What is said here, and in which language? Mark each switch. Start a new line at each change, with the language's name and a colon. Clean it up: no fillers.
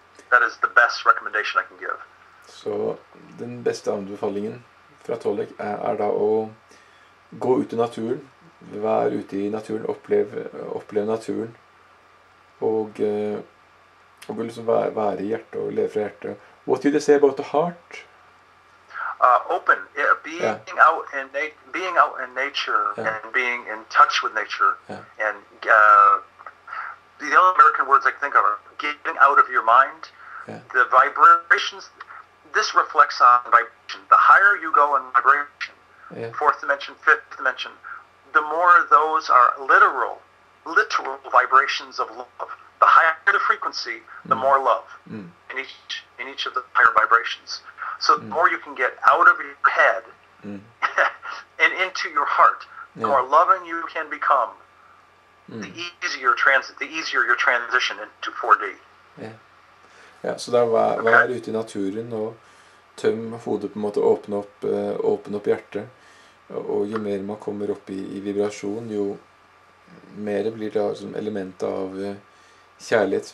English: That is the best recommendation I can give.
Norwegian: So, den beste anbefalingen fra Tolec er da å gå ut i naturen, være ute I naturen, oppleve naturen, og liksom være I hjertet og leve fra hjertet.
English: What did you say about the heart? Open. Yeah, being out in nature, yeah. And being in touch with nature. Yeah. And the only American words I can think of are getting out of your mind, yeah. The vibrations. This reflects on vibration. The higher you go in vibration, yeah. Fourth dimension, fifth dimension, the more those are literal vibrations of love. The higher the frequency, the more love in each of the higher vibrations. So the more you can get out of your head and into your heart, the more loving you can become, the easier your transition into 4D.
Norwegian: Yeah. Ja, så det være okay. Ute I naturen og tøm hodet på en måte, åpne opp hjertet. Og jo mer man kommer opp I vibrasjon, jo mer blir det som element av kjærlighet.